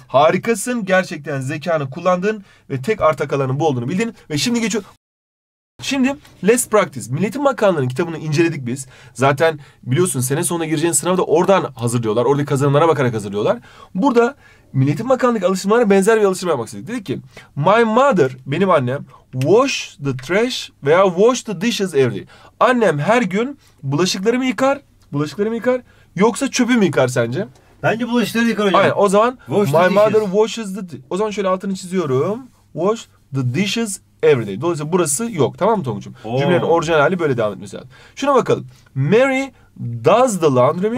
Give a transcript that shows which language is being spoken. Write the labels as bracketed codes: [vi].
[tr] Harikasın. Gerçekten zekanı kullandın. Ve tek arta kalanın bu olduğunu bildin. Ve şimdi geçiyor. Şimdi [en] Let's Practice. [tr] Milletin Bakanlığı'nın kitabını inceledik biz. Zaten biliyorsun sene sonuna gireceğin sınavı da oradan hazırlıyorlar. Oradaki kazanımlara bakarak hazırlıyorlar. Burada Milletin Bakanlığı alıştırmalara benzer bir alıştırma yapmak istedik. Dedik ki [en] my mother, [tr] benim annem, [en] wash the trash [tr] veya [en] wash the dishes every day. [tr] Annem her gün bulaşıkları mı yıkar yoksa çöpü mü yıkar sence? Bence bulaşıkları yıkar hocam. Aynen, o zaman [en] wash my mother washes the... [tr] O zaman şöyle altını çiziyorum. [en] Wash the dishes every day. [tr] Dolayısıyla burası yok. Tamam mı Tonguç'um? Cümlenin orijinal hali böyle devam etmesi lazım. Şuna bakalım. [en] Mary does the laundry [tr] mi?